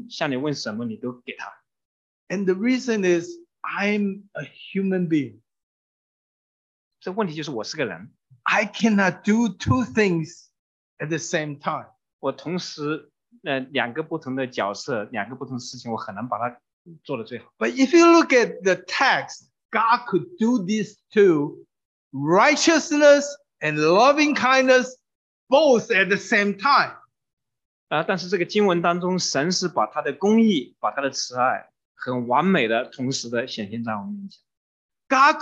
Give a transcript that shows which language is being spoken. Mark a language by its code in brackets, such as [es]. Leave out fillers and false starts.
[zh] 你真是对姐姐好啊，她不管向你问什么，你都给她。 [en] And the reason is, I'm a human being. [zh] 这问题就是我是个人。 [en] I cannot do two things at the same time. [zh] 我同时两个不同的角色，两个不同的事情，我很难把它做得最好。 [en] But if you look at the text, God could do these two, righteousness and loving kindness, both at the same time. [zh] 但是这个经文当中，神是把他的公义、把他的慈爱，很完美的同时的显现在我们面前。 [en] God